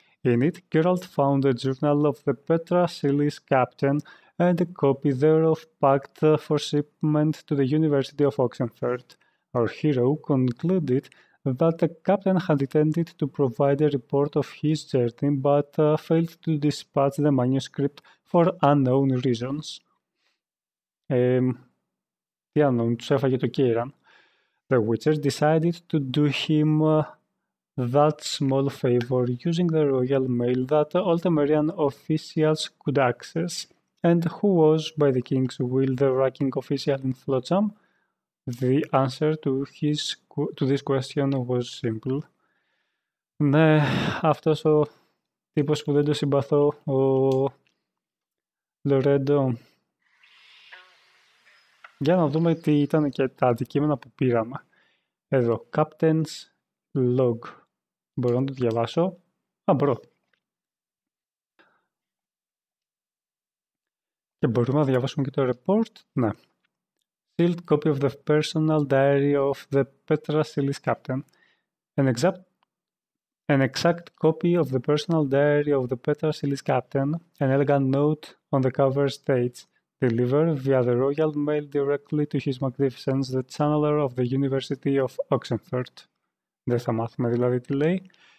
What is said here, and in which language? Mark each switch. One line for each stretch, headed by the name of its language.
English: In it, Geralt found a journal of the Petra Siles captain and a copy thereof packed for shipment to the University of Oxenford. Our hero concluded that the captain had intended to provide a report of his journey, but failed to dispatch the manuscript for unknown reasons. The unknown,
Greek: τους έφαγε το Κίραν.
English: The Witcher decided to do him that small favor, using the royal mail that all Temerian officials could access. And who was, by the king's will, the ranking official in Flotsam? The answer to this question was simple.
Greek: Ναι, αυτός ο τύπος που δεν το συμπαθώ, ο Λορέντο. Για να δούμε τι ήταν και τα αντικείμενα που πήραμε. Εδώ, Captain's Log. Μπορώ να το διαβάσω. Α, μπορώ. Και μπορούμε να διαβάσουμε και το report.
English: Ναι. Sealed copy of the personal diary of the Petra Silis Captain. An exact copy of the personal diary of the Petra Silis Captain. An elegant note on the cover states, delivered via the Royal Mail directly to His Magnificence, the Chancellor of the University of Oxenford.
Greek: Δεν θα μάθουμε δηλαδή τι λέει.